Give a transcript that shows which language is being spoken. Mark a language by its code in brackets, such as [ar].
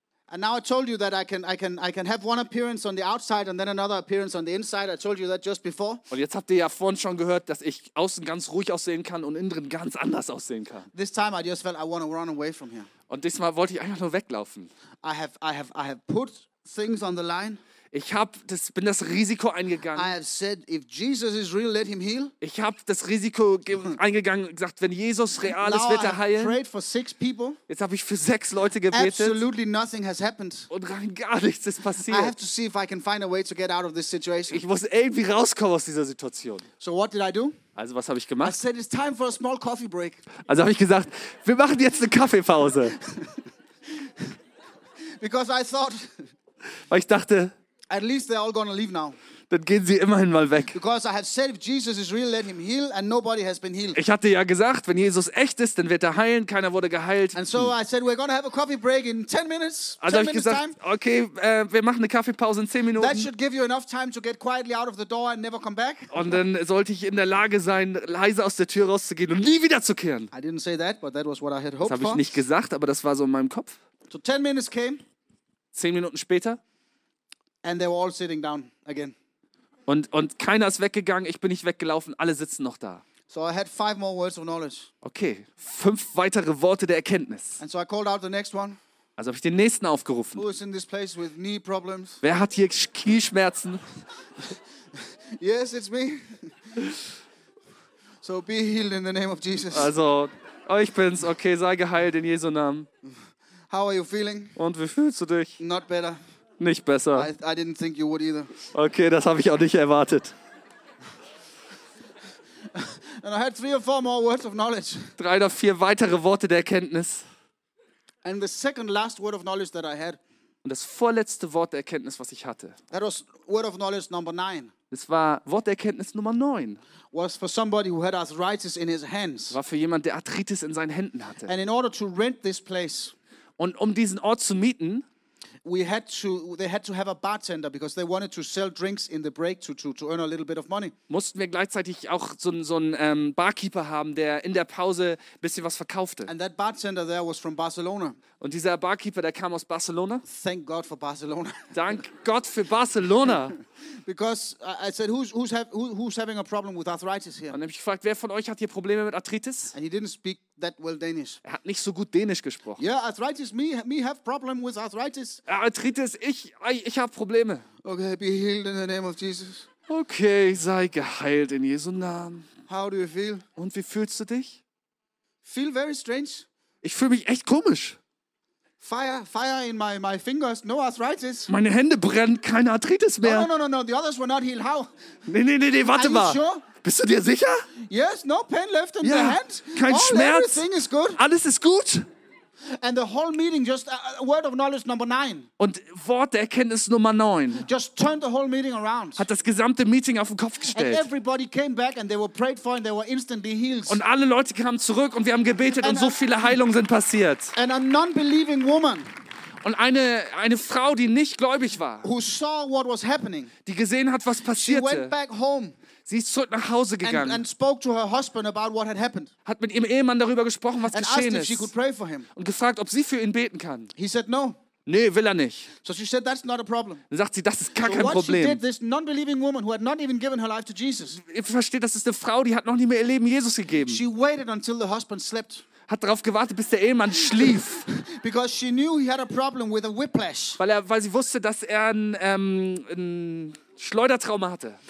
[en] And now I told you that I can have one appearance on the outside and then another appearance on the inside. I told you that just before. [de] Und jetzt habt ihr ja vorhin schon gehört, dass ich außen ganz ruhig aussehen kann und innen drin ganz anders aussehen kann. [en] This time I just felt I want to run away from here. [de] Und diesmal wollte ich einfach nur weglaufen. [en] I have put things on the line. [de] Ich habe das bin das Risiko eingegangen. [en] I have said if Jesus is real, let him heal. [de] Ich habe das Risiko eingegangen und gesagt, wenn Jesus real ist, wird er heilen. [en] Prayed for six people. [de] Jetzt habe ich für sechs Leute gebetet. [en] Absolutely nothing has happened. [de] Und rein gar nichts ist passiert. [en] I have to see if I can find a way to get out of this situation. [de] Ich muss irgendwie rauskommen aus dieser Situation. [en] So what did I do? [de] Also was habe ich gemacht? [en] I said it's time for a small coffee break. [de] Also habe ich gesagt, wir machen jetzt eine Kaffeepause. [en] Because I thought. [de] Weil ich dachte. [en] At least they're all gonna leave now. [de] Dann gehen sie immerhin mal weg. [en] Because I have said if Jesus is real, let him heal, and nobody has been healed. [de] Ich hatte ja gesagt, wenn Jesus echt ist, dann wird er heilen. Keiner wurde geheilt. [en] And so I said we're gonna have a coffee break in 10 minutes. [de] Also habe ich gesagt, okay, wir machen eine Kaffeepause in 10 Minuten. [en] That should give you enough time to get quietly out of the door and never come back. [de] Und dann sollte ich in der Lage sein, leise aus der Tür rauszugehen und nie wiederzukehren. [en] I didn't say that, but that was what I had hoped for. [de] Das habe ich nicht gesagt, aber das war so in meinem Kopf. [en] So 10 minutes came. [de] 10 Minuten später. [en] And they were all sitting down again. [de] Und keiner ist weggegangen, ich bin nicht weggelaufen, alle sitzen noch da. [en] So I had five more words of knowledge. [de] Okay, fünf weitere Worte der Erkenntnis. [en] And so I called out the next one. [de] Also habe ich den nächsten aufgerufen. [en] Who is in this place with knee problems? [de] Wer hat hier Knieschmerzen? [en] Yes, it's me. So be healed in the name of Jesus. [de] Also, ich bin's, okay, sei geheilt in Jesu Namen. [en] How are you feeling? [de] Und wie fühlst du dich? [en] Not better. [de] Nicht besser. [en] I didn't think you would either. [de] Okay, das habe ich auch nicht erwartet. [en] And I had three or four more words of knowledge. [de] Drei oder vier weitere Worte der Erkenntnis. [en] And the second last word of knowledge that I had. [de] Und das vorletzte Wort der Erkenntnis, was ich hatte. [en] That was word of knowledge number 9. [de] Das war Wort der Erkenntnis Nummer 9. [en] Was for somebody who had arthritis in his hands. [de] War für jemand, der Arthritis in seinen Händen hatte. [en] And in order to rent this place. [de] Und um diesen Ort zu mieten. [en] They had to have a bartender because they wanted to sell drinks in the break to earn a little bit of money. [de] Mussten wir gleichzeitig auch so einen Barkeeper haben, der in der Pause ein bisschen was verkaufte. [en] And that bartender there was from Barcelona. [de] Und dieser Barkeeper, der kam aus Barcelona. [en] Thank God for Barcelona. [de] Dank Gott für Barcelona. [en] Because I said who's having a problem with arthritis here? [de] Und ich fragte, wer von euch hat hier Probleme mit Arthritis? [en] And he didn't speak that well Danish. [de] Er hat nicht so gut Dänisch gesprochen. [en] Yeah, arthritis me have problem with arthritis. [de] Arthritis, ich habe Probleme. [en] Okay, be healed in the name of Jesus. [de] Okay, sei geheilt in Jesu Namen. [en] How do you feel? [de] Und wie fühlst du dich? [en] Feel very strange. [de] Ich fühle mich echt komisch. [en] Fire in my fingers, no arthritis. [de] Meine Hände brennen, keine Arthritis mehr. [en] No, the others were not healed. How? [de] Nee, warte mal. [en] Are you sure? [de] Bist du dir sicher? [en] Yes, no pain left in the hand. [de] Kein Schmerz. [en] Everything is good. [de] Alles ist gut. [en] And the whole meeting just word of knowledge number 9. [de] Und Wort der Erkenntnis Nummer 9. [en] Just turned the whole meeting around. [de] Hat das gesamte Meeting auf den Kopf gestellt. [en] And everybody came back and they were prayed for and they were instantly healed. [de] Und alle Leute kamen zurück und wir haben gebetet und so viele Heilungen sind passiert. [en] And a non-believing woman. [de] Und eine Frau, die nicht gläubig war. [en] Who saw what was happening. [de] Die gesehen hat, was passierte. [en] She went back home. [de] Sie ist zurück nach Hause gegangen. [en] And spoke to her husband about what had happened. [de] Hat mit ihrem Ehemann darüber gesprochen, was [en] and [de] geschehen [en] asked, If she could pray for him. [de] Und gefragt, ob sie für ihn beten kann. [en] He said no. [de] Nee, will er nicht. [en] So she said, that's not a problem. [de] Dann sagt sie, das ist gar [en] so [de] kein [en] what [de] Problem. [en] She did, this non-believing woman who had not even given her life to Jesus. [de] Ihr versteht, das ist eine Frau, die hat noch nie mehr ihr Leben Jesus gegeben. [en] She waited until the husband slept. [de] Hat darauf gewartet, bis der Ehemann schlief. [en] Because she knew he had a problem with a whiplash. [de] Weil sie wusste, dass er ein Schleudertrauma hatte.